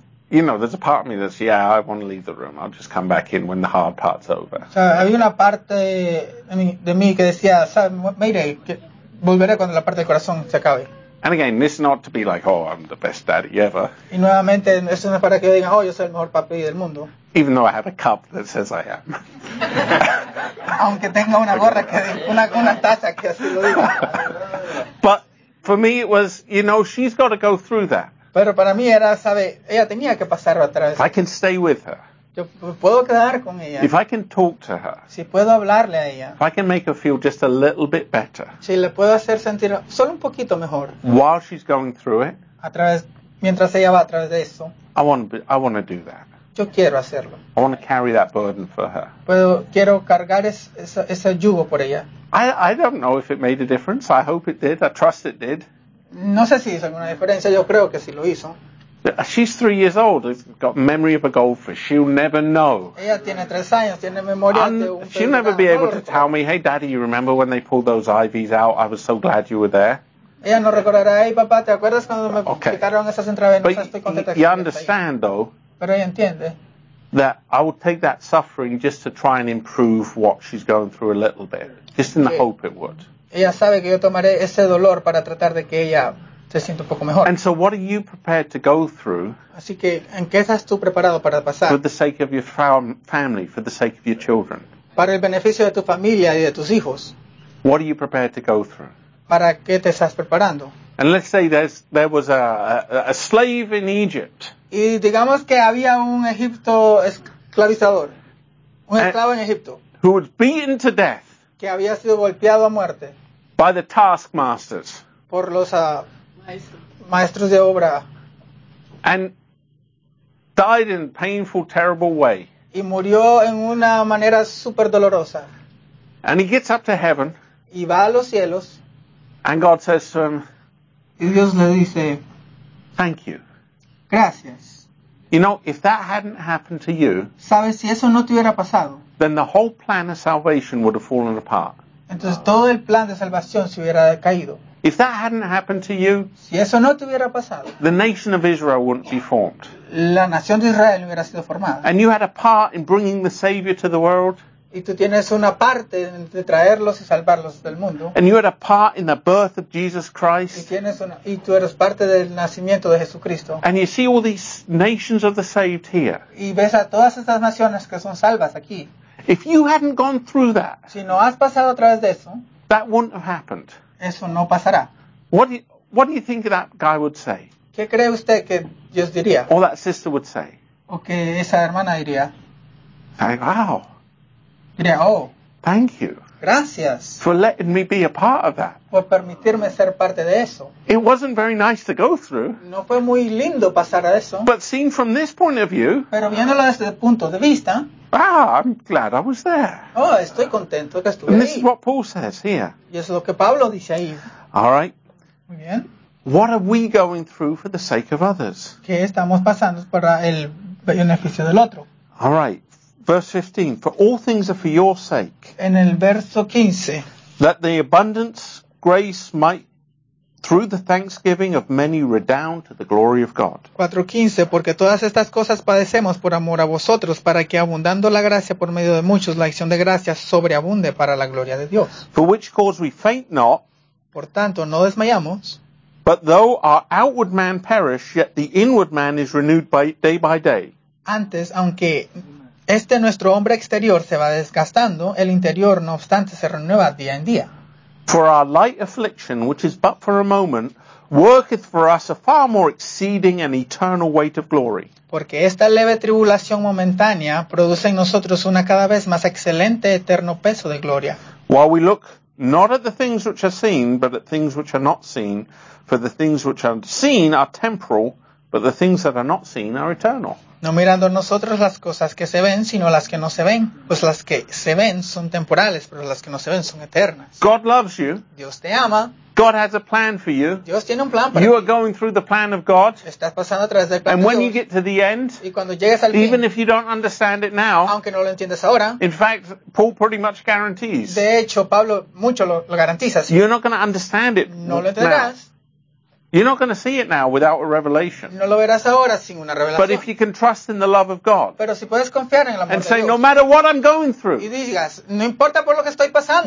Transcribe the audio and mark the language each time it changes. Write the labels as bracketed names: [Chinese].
[English] You know, there's a part of me that's, yeah, I want to leave the room. I'll just come back in when the hard part's over. [Spanish] O sea, había una parte de mí que decía, mire, volveré cuando la parte del corazón se acabe. [English] And again, this is not to be like, oh, I'm the best daddy ever. [Spanish] Y nuevamente, esto no es para que digan, oh, yo soy el mejor papi del mundo. [English] Even though I have a cup that says I am. [Spanish] Aunque tenga una gorra que una taza que así lo diga. [English] But for me, it was, you know, she's got to go through that. [Spanish] Pero para mí era, sabe, ella tenía que pasar otra vez. [English] I can stay with her. [Spanish] Yo puedo quedar con ella. [English] If I can talk to her. [Spanish] Si puedo hablarle a ella. [English] If I can make her feel just a little bit better. [Spanish] Si le puedo hacer sentir solo un poquito mejor. [English] While she's going through it. [Spanish] A través, mientras ella va a través de eso. [English] I want to do that. [Spanish] Yo quiero hacerlo. [English] I want to carry that burden for her. [Spanish] Puedo, quiero cargar ese yugo por ella. [English] I don't know if it made a difference. I hope it did. I trust it did. [Spanish] No sé si hizo alguna diferencia. Yo creo que sí lo hizo. [English] She's 3 years old. She's got memory of a goldfish. She'll never know. [Spanish] Ella tiene 3 años. Tiene memoria de un pelicano. [English] She'll never be able to tell me, hey, Daddy, you remember when they pulled those IVs out? I was so glad you were there. [Spanish] Ella no recordará, hey, papá, ¿te acuerdas cuando me picaron esas intravenosas? [English] But you understand, though, [Spanish] pero ella entiende, [English] that I would take that suffering just to try and improve what she's going through a little bit, just in the hope it would. [Spanish] Ella sabe que yo tomaré ese dolor para tratar de que ella se siente un poco mejor. [English] And so what are you prepared to go through? [Spanish] Así que, ¿en qué estás tú preparado para pasar? [English] For the sake of your family, for the sake of your children. [Spanish] Para el beneficio de tu familia y de tus hijos. [English] What are you prepared to go through? [Spanish] ¿Para qué te estás preparando? [English] And let's say there was a slave in Egypt. [Spanish] Y digamos que había un Egipto esclavizador. Un esclavo en Egipto. [English] Who was beaten to death. [Spanish] Que había sido golpeado a muerte. [English] By the taskmasters. [Spanish] Por los maestros de obra. [English] And died in a painful, terrible way. [Spanish] Y murió en una manera super dolorosa. [English] And he gets up to heaven. [Spanish] Y va a los cielos. [English] And God says to him, [Spanish] y Dios le dice, [English] thank you. [Spanish] Gracias. [English] You know, if that hadn't happened to you, [Spanish] ¿sabes? Si eso no te hubiera pasado, [English] then the whole plan of salvation would have fallen apart. [Spanish] Entonces, todo el plan de salvación se hubiera caído. [English] If that hadn't happened to you, [Spanish] si eso no te hubiera pasado, [English] the nation of Israel wouldn't be formed. [Spanish] La nación de Israel no hubiera sido formada. [English] And you had a part in bringing the Savior to the world. [Spanish] Y tú tienes una parte de traerlos y salvarlos del mundo. [English] And you had a part in the birth of Jesus Christ. [Spanish] Y tú eres parte del nacimiento de Jesucristo. [English] And you see all these nations of the saved here. [Spanish] Y ves a todas estas naciones que son salvas aquí. [English] If you hadn't gone through that, [Spanish] si no has pasado a través de eso, [English] that wouldn't have happened. [Spanish] Eso no pasará. [English] What do you think that guy would say? [Spanish] ¿Qué cree usted que Dios diría? [English] Or that sister would say. [Spanish] O que esa hermana diría. [English] Wow. Yeah, oh, thank you. [Spanish] Gracias. [English] For letting me be a part of that. [Spanish] Por permitirme ser parte de eso. [English] It wasn't very nice to go through. [Spanish] No fue muy lindo pasar a eso. [English] But seen from this point of view. [Spanish] Pero viéndolo desde el punto de vista. [English] Ah, I'm glad I was there. [Spanish] Oh, estoy contento que estuve [English] and [Spanish] ahí. [English] This is what Paul says here. [Spanish] Y es lo que Pablo dice ahí. [English] All right. [Spanish] Muy bien. [English] What are we going through for the sake of others? [Spanish] ¿Qué estamos pasando para el beneficio del otro? [English] All right. Verse 15, for all things are for your sake. [Spanish] En el verso 15. [English] That the abundance, grace might, through the thanksgiving of many, redound to the glory of God. [Spanish] 4:15, porque todas estas cosas padecemos por amor a vosotros, para que abundando la gracia por medio de muchos, la acción de gracias sobreabunde para la gloria de Dios. [English] For which cause we faint not. [Spanish] Por tanto, no desmayamos. [English] But though our outward man perish, yet the inward man is renewed by day by day. [Spanish] Antes, aunque este nuestro hombre exterior se va desgastando, el interior no obstante se renueva día en día. [English] For our light affliction, which is but for a moment, worketh for us a far more exceeding and eternal weight of glory. [Spanish] Porque esta leve tribulación momentánea produce en nosotros una cada vez más excelente eterno peso de gloria. [English] While we look not at the things which are seen, but at things which are not seen, for the things which are seen are temporal, but the things that are not seen are eternal. [Spanish] No mirando nosotros las cosas que se ven, sino las que no se ven. Pues las que se ven son temporales, pero las que no se ven son eternas. [English] God loves you. [Spanish] Dios te ama. [English] God has a plan for you. [Spanish] Dios tiene un plan para [English] you [Spanish] ti. [English] Are going through the plan of God. [Spanish] Estás pasando a través del plan [English] and [Spanish] de [English] when [Spanish] Dios. [English] You get to the end, [Spanish] y cuando llegues al [English] even [Spanish] fin, [English] if you don't understand it now, [Spanish] aunque no lo entiendes ahora, [English] in fact, Paul pretty much guarantees. [Spanish] De hecho, Pablo mucho lo garantiza. ¿Sí? [English] You're not going to understand it [Spanish] no lo entenderás. [English] Now. You're not going to see it now without a revelation. [Spanish] No lo verás ahora sin una revelación. [English] But if you can trust in the love of God. [Spanish] Pero si puedes confiar en el amor [English] and [Spanish] de [English] say, [Spanish] Dios, [English] no matter what I'm going through. [Spanish] Y digas, no importa por lo que estoy pasando.